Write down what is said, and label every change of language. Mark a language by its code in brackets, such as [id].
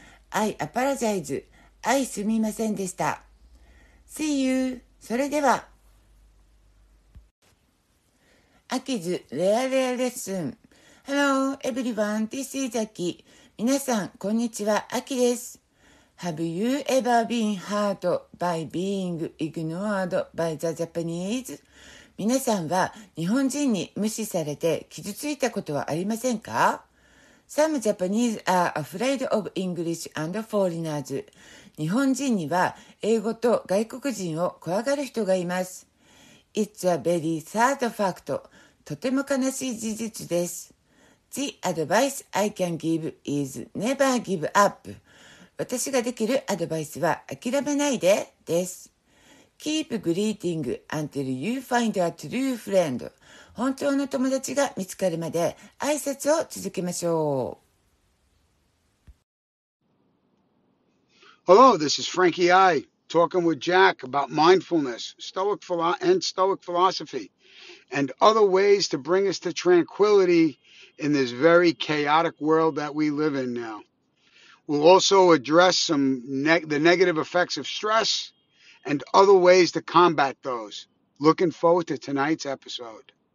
[en] I apologize. [ja] はい、すみませんでした。 [en] See you! [ja] それでは、アキズレアレアレッスン。 [en] Hello, everyone, this is Aki. [ja] 皆さん、こんにちは、アキです。 [en] Have you ever been hurt by being ignored by the Japanese? [ja] 皆さんは、日本人に無視されて傷ついたことはありませんか？ [en] Some Japanese are afraid of English and foreigners. [ja] 日本人には英語と外国人を怖がる人がいます。 [en] It's a very sad fact. [ja] とても悲しい事実です。 [en] The advice I can give is never give up. [ja] 私ができるアドバイスは諦めないでです。 [en] Keep greeting until you find a true friend. [ja] 本当の友達が見つかるまで挨拶を続けましょう。 [en] Hello, this is Frankie I, talking with Jack about mindfulness, Stoic philosophy, and other ways to bring us to tranquility in this very chaotic world that we live in now. We'll also address the negative effects of stress and other ways to combat those. Looking forward to tonight's episode.